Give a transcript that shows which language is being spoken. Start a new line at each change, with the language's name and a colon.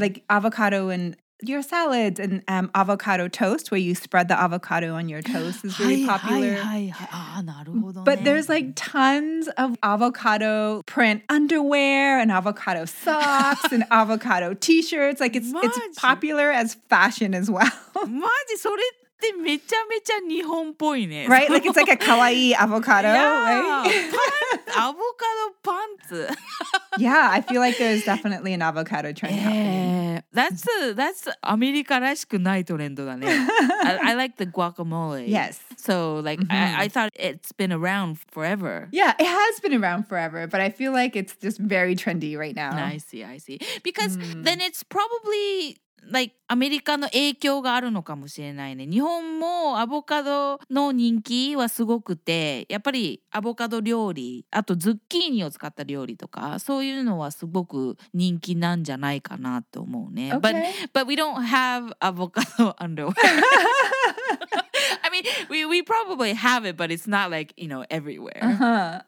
English: Like avocado and your salads and avocado toast, where you spread the avocado on your toast is really popular. But there's like tons of avocado print underwear and avocado socks and avocado t-shirts. Like it's popular as fashion as well.
Japanese: マジそれってめちゃめちゃ日本っぽいね。
English: Right? Like it's like a kawaii avocado, right?
Japanese: アボカドパンツ。
English: Yeah, I feel like there's definitely an avocado trend happening. That's
Japanese: アメリカらしくないトレンドだね。
English: I like the guacamole. Yes. So like, mm-hmm. I thought it's been around forever. Yeah, it has been around forever, but I feel like it's just very trendy right now. I see. Because then it's probably... Like,
Japanese: アメリカの影響があるのかもしれないね。日本もアボカドの人気はすごくて、やっぱりアボカド料理、あとズッキーニを使った料理とか、そういうのはすごく人気なんじゃないかなと思うね。
English: Okay. But we don't have avocado underwear. I mean, we probably have it, but it's not like, you know, everywhere.